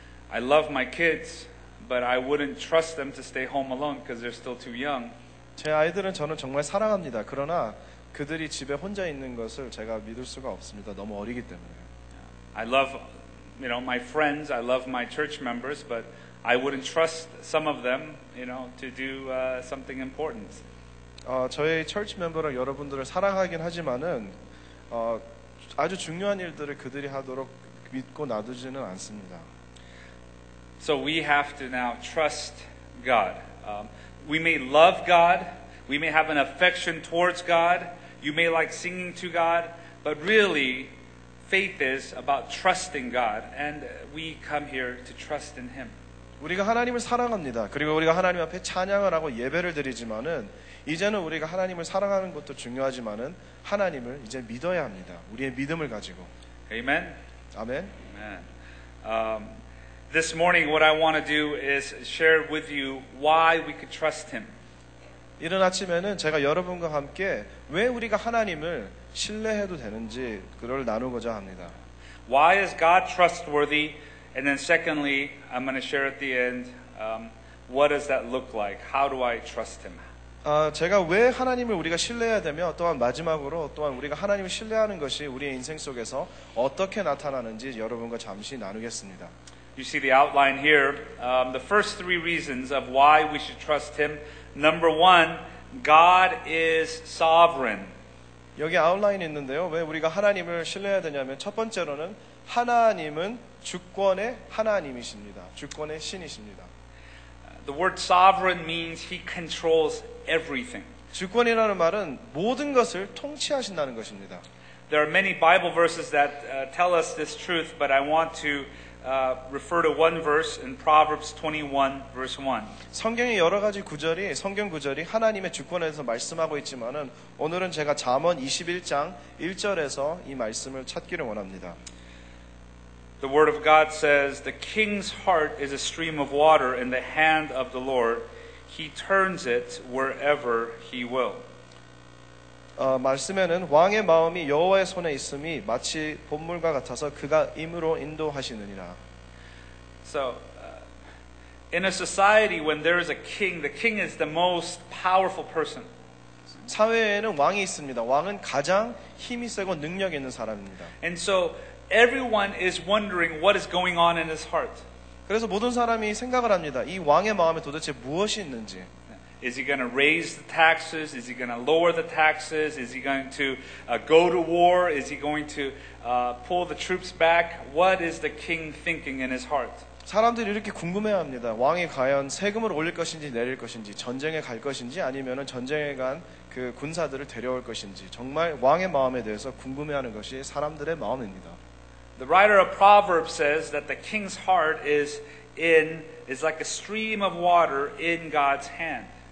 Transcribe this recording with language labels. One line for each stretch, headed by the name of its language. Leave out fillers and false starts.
English: I love my kids, but I wouldn't trust them to stay home alone because they're still too young.
Korean: 제 아이들은 저는 정말 사랑합니다. 그러나 그들이 집에 혼자 있는 것을 제가 믿을 수가 없습니다. 너무 어리기 때문에.
English: I love, you know, my friends. I love my church members, but I wouldn't trust some of them, you know, to do something important.
Korean: 저의
English: church member
Korean: 를 여러분들을 사랑하긴 하지만은 아주 중요한 일들을 그들이 하도록 믿고 놔두지는 않습니다.
English: So we have to now trust God. We may love God. We may have an affection towards God. You may like singing to God. But really, faith is about trusting God. And we come here to trust in Him.
Korean: 우리가 하나님을 사랑합니다. 그리고 우리가 하나님 앞에 찬양을 하고 예배를 드리지만은 이제는 우리가 하나님을 사랑하는 것도 중요하지만은 하나님을 이제 믿어야 합니다. 우리의 믿음을 가지고.
English: Amen. Amen. Amen. This morning, what I want to do is share with you why we could trust Him.
Korean: 이른 아침에는 제가 여러분과 함께 왜 우리가 하나님을 신뢰해도 되는지 그걸 나누고자 합니다.
English: Why is God trustworthy? And then secondly, I'm going to share at the end, what does that look like? How do I trust Him?
Korean: 제가 왜 하나님을 우리가 신뢰해야 되며 또한 마지막으로 또한 우리가 하나님을 신뢰하는 것이 우리의 인생 속에서 어떻게 나타나는지 여러분과 잠시 나누겠습니다.
English: You see the outline here. The first three reasons of why we should trust Him. Number one, God is sovereign.
Korean: 여기 아웃라인 있는데요. 왜 우리가 하나님을 신뢰해야 되냐면 첫 번째로는 하나님은 주권의 하나님이십니다. 주권의 신이십니다.
English: The word sovereign means He controls everything.
Korean: 주권이라는 말은 모든 것을 통치하신다는 것입니다.
English: There are many Bible verses that tell us this truth, but I want to refer to one verse in Proverbs 21 verse 1.
Korean: 성경의 여러 가지 구절이 성경 구절이 하나님의 주권에서 말씀하고 있지만은 오늘은 제가 잠언 21장 1절에서 이 말씀을 찾기를 원합니다.
English: The word of God says, "The king's heart is a stream of water in the hand of the Lord. He turns it wherever he will."
Korean: 말씀에는 왕의 마음이 여호와의 손에 있음이 마치 봇물과 같아서 그가 임으로 인도하시느니라.
English: So, in a society when there is a king, the king is the most powerful person.
Korean: 사회에는 왕이 있습니다. 왕은 가장 힘이 세고 능력 있는 사람입니다.
English: And so, everyone is wondering what is going on in his heart.
Korean: 그래서 모든 사람이 생각을 합니다. 이 왕의 마음에 도대체 무엇이 있는지.
English: Is he going to raise the taxes? Is he going to lower the taxes? Is he going to go to war? Is he going to pull the troops back? What is the king thinking in his heart?
Korean: 사람들이 이렇게 궁금해합니다. 왕이 과연 세금을 올릴 것인지 내릴 것인지 전쟁에 갈 것인지 아니면은 전쟁에 간 그 군사들을 데려올 것인지 정말 왕의 마음에 대해서 궁금해하는 것이 사람들의 마음입니다.
English: The writer of Proverbs says that the king's heart is in is like a stream of water in God's hand.